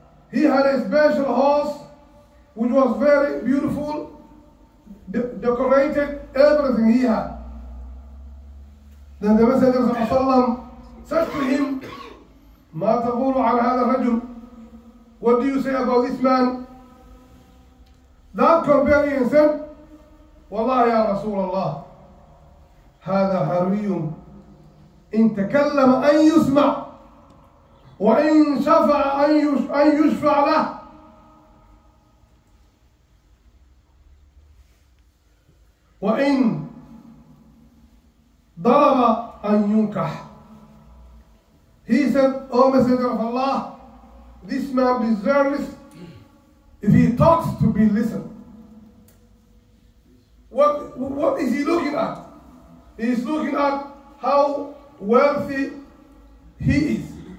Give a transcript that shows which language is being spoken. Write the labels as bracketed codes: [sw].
[en] He had a special horse which was very beautiful, decorated, everything he had. Then the Messenger of Allah said to him, [ar] مَا تَقُولُ عَنْ هَذَا الرَّجُلُ, [en] what do you say about this man? That companion said, [ar] وَاللَّهِ يَا رَسُولَ اللَّهِ هَذَا حَرِيٌّ إِن تَكَلَّمَ أَنْ يُسْمَعْ وَإِنْ شَفَعَ أَنْ يُشْفَعَ لَهُ وَإِنْ ضَرَبَ أَنْ يُنْكَحَ. [en] He said, O Messenger of Allah, this man deserves, if he talks, to be listened. What is he looking at? He is looking at how wealthy he is.